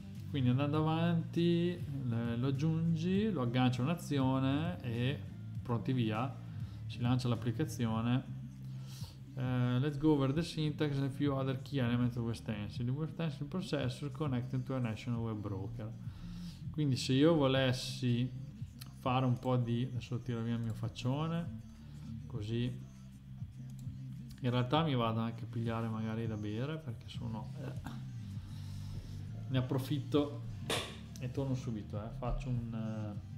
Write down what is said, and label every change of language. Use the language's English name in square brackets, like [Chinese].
[Italian] Quindi andando avanti lo aggiungi, lo aggancia un'azione e pronti via, si lancia l'applicazione. [English] Let's go over the syntax and a few other key elements of extension. The extension processor connected to a national web broker. [Italian] Quindi se io volessi fare un po' di... adesso tiro via il mio faccione, così in realtà mi vado anche a pigliare magari da bere, perché sono... ne approfitto e torno subito, faccio un...